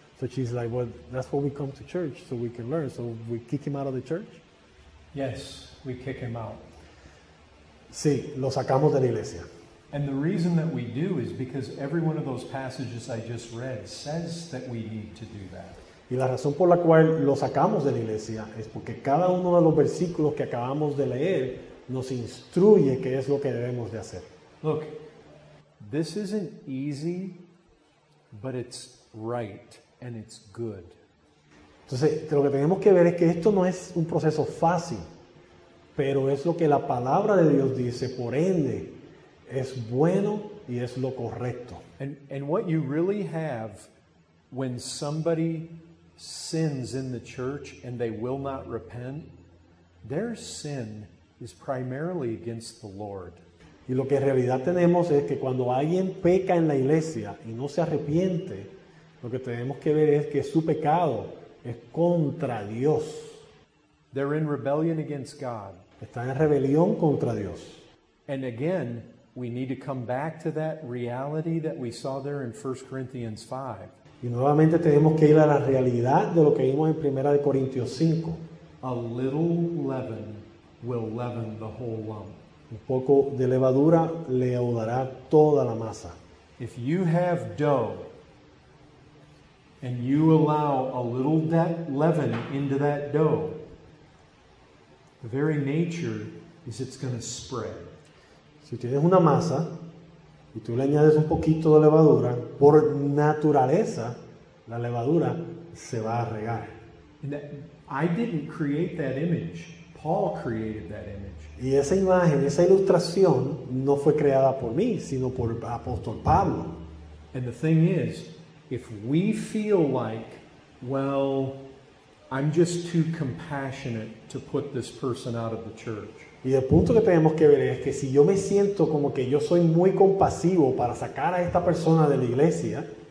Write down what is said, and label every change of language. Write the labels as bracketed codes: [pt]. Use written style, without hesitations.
[en] So she's like, well, that's why we come to church, so we can learn. So we kick him out of the church? Yes, we kick him out. [es] Sí, lo sacamos de la iglesia. [en] And the reason that we do is because every one of those passages I just read says that we need to do that. [es] Y la razón por la cual lo sacamos de la iglesia es porque cada uno de los versículos que acabamos de leer nos instruye qué es lo que debemos de hacer. [en] Look, this isn't easy, but it's right and it's good. [es] Entonces, lo que tenemos que ver es que esto no es un proceso fácil, pero es lo que la palabra de Dios dice, por ende, es bueno y es lo correcto. [en] And what you really have when somebody sins in the church and they will not repent, their sin is primarily against the Lord. [es] Y lo que en realidad tenemos es que cuando alguien peca en la iglesia y no se arrepiente, lo que tenemos que ver es que su pecado es contra Dios. [en] They're in rebellion against God. [es] Están en rebelión contra Dios. [en] And again, we need to come back to that reality that we saw there in 1 Corinthians 5. [es] Y nuevamente tenemos que ir a la realidad de lo que vimos en 1 Corintios 5. [en] A little leaven will leaven the whole lump. [es] Un poco de levadura leudará toda la masa. [en] If you have dough and you allow a little leaven into that dough, the very nature is it's going to spread. [es] Si tienes una masa y tú le añades un poquito de levadura, por naturaleza, la levadura se va a regar. [en] That, I didn't create that image. Paul created that image. [es] Y esa imagen, esa ilustración, no fue creada por mí, sino por el apóstol Pablo. [en] And the thing is, if we feel like, well, I'm just too compassionate to put this person out of the church. [es] Y el punto que tenemos que ver es que si yo me siento como que yo soy muy compasivo para sacar a esta persona de la iglesia,